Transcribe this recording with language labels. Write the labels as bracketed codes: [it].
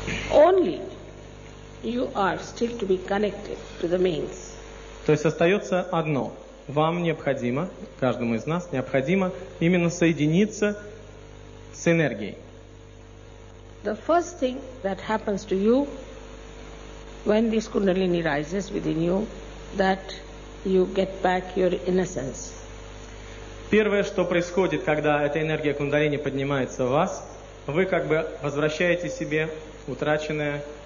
[en] Only you are still to be connected to the mains. [ru] То есть остается одно. Вам необходимо, каждому из нас, необходимо именно соединиться с энергией. [en] The first thing that happens to you when this kundalini rises within you, that you get back your innocence. [ru] Первое, что происходит, когда эта энергия кундалини поднимается в вас, вы как бы возвращаете себе утраченное